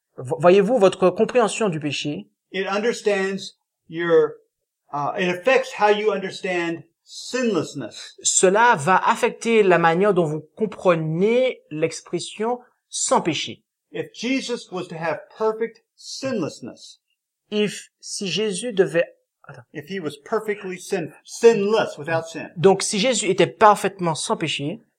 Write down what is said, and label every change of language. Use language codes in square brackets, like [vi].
[fr] voyez-vous, votre compréhension du péché, [en] it understands it affects how you understand sinlessness. [fr] Cela va affecter la manière dont vous comprenez l'expression sans péché. [en] If Jesus was to have perfect sinlessness, if he was perfectly sinless without sin. [fr] Donc si Jésus était parfaitement sans péché.